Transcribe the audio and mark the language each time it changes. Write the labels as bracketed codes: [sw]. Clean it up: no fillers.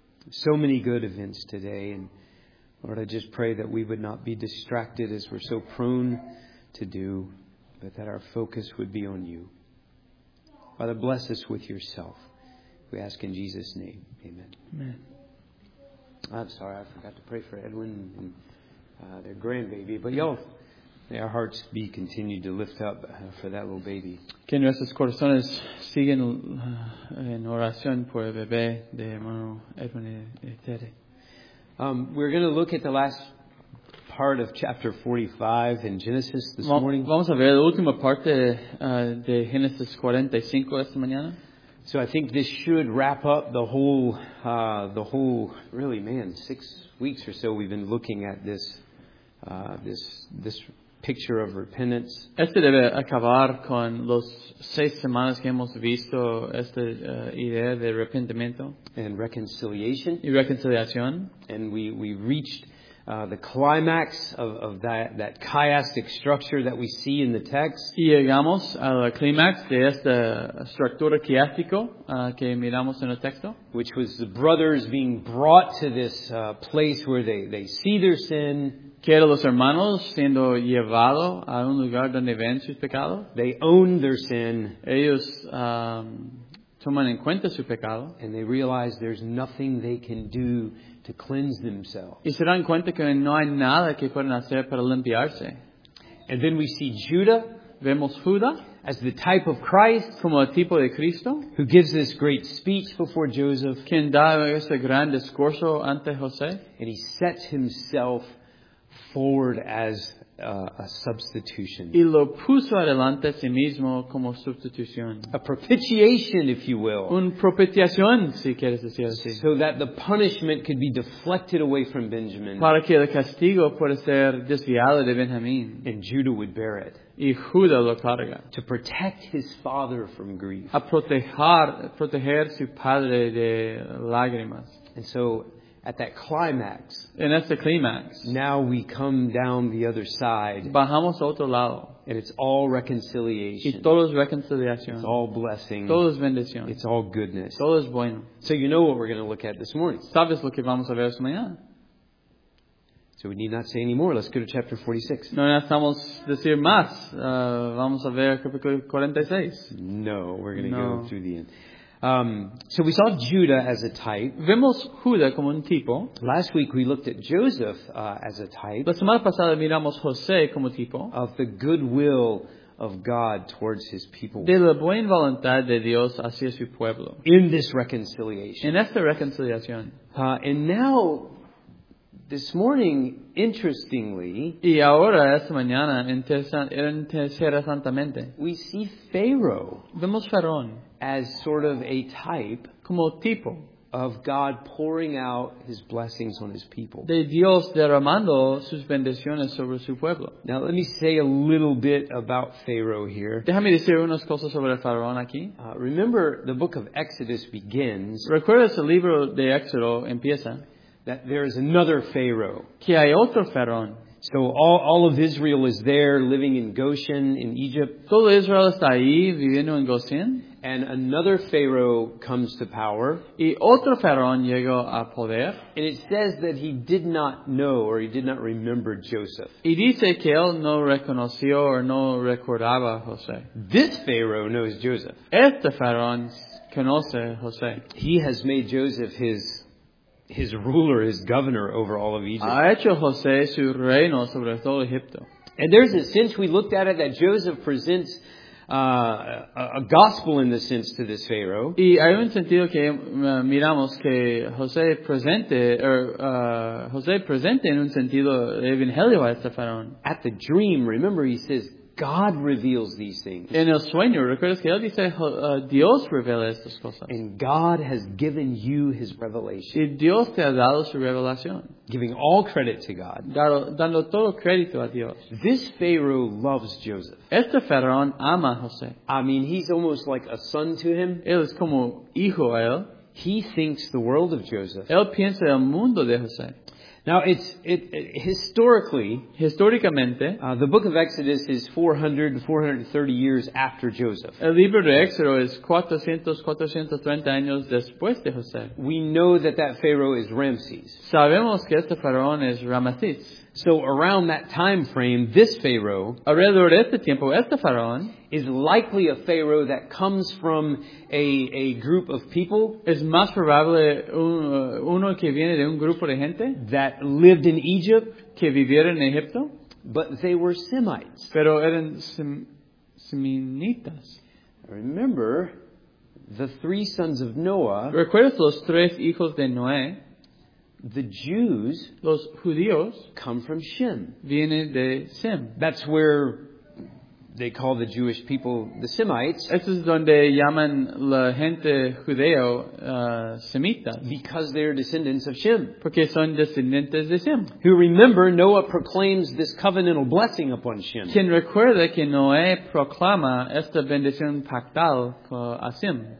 [en] So many good events today. And Lord, I just pray that we would not be distracted as we're so prone to do, but that our focus would be on you. Father, bless us with yourself. We ask in Jesus' name. Amen. Amen. I'm sorry, I forgot to pray for Edwin and their grandbaby, but y'all, may our hearts be continued to lift up for that little baby. [es] Que nuestros corazones siguen en oración por el bebé de hermano Edwin y Tere. [en] We're going to look at the last part of chapter 45 in Genesis this morning. [es] Vamos a ver la última parte de Genesis 45 esta mañana. [en] So I think this should wrap up the whole 6 weeks or so we've been looking at this picture of repentance. [es] Este debe acabar con los 6 semanas que hemos visto esta idea de arrepentimiento. [en] And reconciliation. [es] Y reconciliación. [en] And we reached the climax of that chiastic structure that we see in the text. [es] Y llegamos al clímax de esta estructura chiástica que miramos en el texto. [en] Which was the brothers being brought to this place where they see their sin. [es] Que eran los hermanos siendo llevados a un lugar donde ven sus pecados. [en] They own their sin. [es] Ellos toman en cuenta su pecado. [en] And they realize there's nothing they can do to cleanse themselves. [es] Y se dan cuenta que no hay nada que puedan hacer para limpiarse. [en] And then we see Judah. [es] Vemos Judah. [en] As the type of Christ. [es] Como el tipo de Cristo. [en] Who gives this great speech before Joseph. [es] Quien da este gran discurso ante José. [en] And he sets himself forward as a substitution. [es] Y lo puso adelante a sí mismo como sustitución. [en] A propitiation, if you will. [es] Un propiciación, si quieres decir así. [en] So that the punishment could be deflected away from Benjamin. [es] Para que el castigo pueda ser desviado de Benjamín. [en] And Judah would bear it. [es] Y Judah lo carga. [en] To protect his father from grief. [es] A proteger su padre de lágrimas. [en] And so, at that climax. And that's the climax. Now we come down the other side. [es] Bajamos a otro lado. [en] And it's all reconciliation. [es] Y todo es reconciliación. [en] It's all blessing. [es] Todo es bendición. [en] It's all goodness. [es] Todo es bueno. [en] So you know what we're going to look at this morning. [es] Sabes lo que vamos a ver esta mañana. [en] So we need not say any more. Let's go to chapter 46. [es] No necesitamos decir más. Vamos a ver capítulo 46. [en] No, we're going to go through the end. So we saw Judah as a type. [es] Vemos Judah como un tipo. [en] Last week we looked at Joseph as a type. [es] La semana pasada miramos José como tipo. [en] Of the goodwill of God towards his people. [es] De la buena voluntad de Dios hacia su pueblo. [en] In this reconciliation. [es] En esta reconciliación. [en] And now, this morning, interestingly, [es] y ahora, esta mañana, interesantemente, [en] we see Pharaoh. [es] Vemos Faraón. [en] As sort of a type, [es] como tipo, [en] of God pouring out His blessings on His people. [es] De Dios derramando sus bendiciones sobre su pueblo. [en] Now let me say a little bit about Pharaoh here. [es] Déjame decir unas cosas sobre el faraón aquí. [en] Remember, the book of Exodus begins. [es] ¿Recuerdas el libro de Éxodo empieza? [en] That there is another Pharaoh. [es] Que hay otro faraón. [en] So all of Israel is there living in Goshen in Egypt. [es] Todo Israel está ahí viviendo en Goshen. [en] And another Pharaoh comes to power. [es] Y otro faraón llegó a poder. [en] And it says that he did not know or he did not remember Joseph. [es] Y dice que él no reconoció o no recordaba a José. [en] This Pharaoh knows Joseph. [es] Este faraón conoce a José. [en] He has made Joseph his ruler, his governor over all of Egypt. [es] Ha hecho José su reino sobre todo Egipto. [en] And there's a sense we looked at it that Joseph presents a gospel in the sense to this Pharaoh. [es] Y hay un sentido que miramos que José presente en un sentido evangelio a este faraón. [en] At the dream, remember, he says God reveals these things. [es] En el sueño, recuerdas que él dice Dios revela estas cosas. [en] And God has given you His revelation. [es] Y Dios te ha dado su revelación. [en] Giving all credit to God. [es] Dando todo crédito a Dios. [en] This Pharaoh loves Joseph. [es] Este faraón ama a José. [en] I mean, he's almost like a son to him. [es] Él es como hijo a él. [en] He thinks the world of Joseph. [es] Él piensa el mundo de José. [en] Now historically, the book of Exodus is 430 years after Joseph. [es] El libro de Éxodo es 430 años después de José. [en] We know that that Pharaoh is Ramses. [es] Sabemos que este faraón es Ramsés. [en] So around that time frame, this Pharaoh, [es] alrededor de este tiempo, este faraón, [en] is likely a Pharaoh that comes from a group of people. [es] Es más probable uno que viene de un grupo de gente [en] that lived in Egypt, [es] que vivieron en Egipto, [en] but they were Semites. [es] Pero eran Seminitas. [en] Remember the three sons of Noah. [es] ¿Recuerdas los tres hijos de Noé? [en] The Jews, [es] los judíos, [en] come from Shem. [es] Viene de Sem. [en] That's where they call the Jewish people the Semites. [es] Eso es donde llaman la gente judeo semitas. [en] Because they are descendants of Shem. [es] Porque son descendientes de Sem. [en] Who remember Noah proclaims this covenantal blessing upon Shem. [es] Quien recuerda que Noé proclama esta bendición pactal a Sem.